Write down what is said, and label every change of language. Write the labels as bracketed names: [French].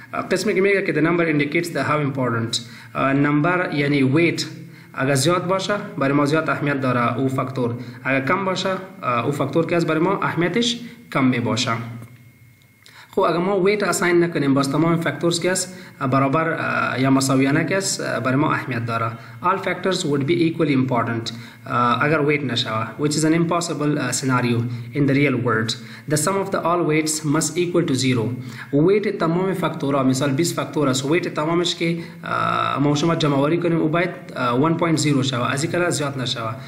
[Persian] قسمی که میگه که [English] the number indicates how important، [Persian] نمبر یعنی ویت اگر زیاد باشه برای ما زیاد اهمیت داره او فاکتور، اگر کم باشه او فاکتور که از برای ما اهمیتش کم می باشه. خو اگر ما ویت اساین نکنیم باز تمام فاکتورز که است برابر یا مساویانه که است برای ما اهمیت داره. [English] All factors would be equally important [Persian] اگر ویت نشوه، [English] which is an impossible scenario in the real world. The sum of the all weights must equal to zero. [Persian] ویت تمام فاکتورها، مثال 20 فاکتور است، ویت تمامش که ما شما جمع آوری کنیم او باید 1.0 شوه، از این کلا زیاد نشوه.